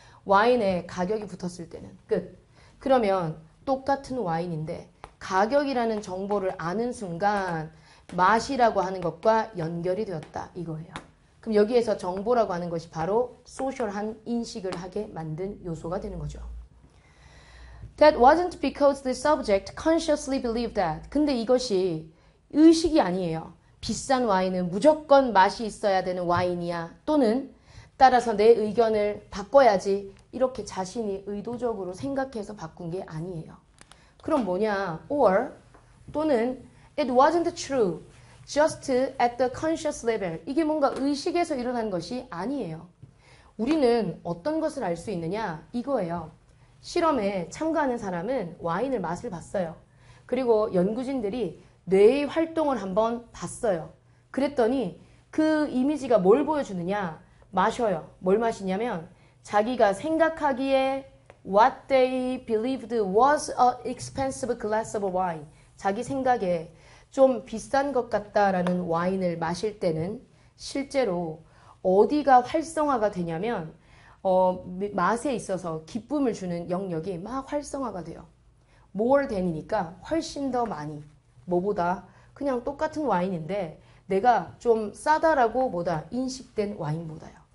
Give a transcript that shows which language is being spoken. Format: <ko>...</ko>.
<ko>와인에 가격이 붙었을 때는 끝. 그러면 똑같은 와인인데 가격이라는 정보를 아는 순간 맛이라고 하는 것과 연결이 되었다 이거예요. 그럼 여기에서 정보라고 하는 것이 바로 소셜한 인식을 하게 만든 요소가 되는 거죠.</ko> <en>That wasn't because the subject consciously believed that.</en> <ko>근데 이것이 의식이 아니에요. 비싼 와인은 무조건 맛이 있어야 되는 와인이야. 또는 따라서 내 의견을 바꿔야지. 이렇게 자신이 의도적으로 생각해서 바꾼 게 아니에요. 그럼 뭐냐?</ko> <en>Or</en> <ko>또는</ko> <en>It wasn't true, just at the conscious level.</en> <ko>이게 뭔가 의식에서 일어난 것이 아니에요. 우리는 어떤 것을 알수 있느냐? 이거예요. 실험에 참가하는 사람은 와인을 맛을 봤어요. 그리고 연구진들이 뇌의 활동을 한번 봤어요. 그랬더니 그 이미지가 뭘 보여주느냐? 마셔요. 뭘 마시냐면 자기가 생각하기에</ko> <en>what they believed was a expensive glass of wine.</en> <ko>자기 생각에 좀 비싼 것 같다라는 와인을 마실 때는 실제로 어디가 활성화가 되냐면 맛에 있어서 기쁨을 주는 영역이 막 활성화가 돼요. More 되니까 훨씬 더 많이. 뭐보다 그냥 똑같은 와인인데 내가 좀 싸다라고 뭐다 인식된 와인보다요.</ko>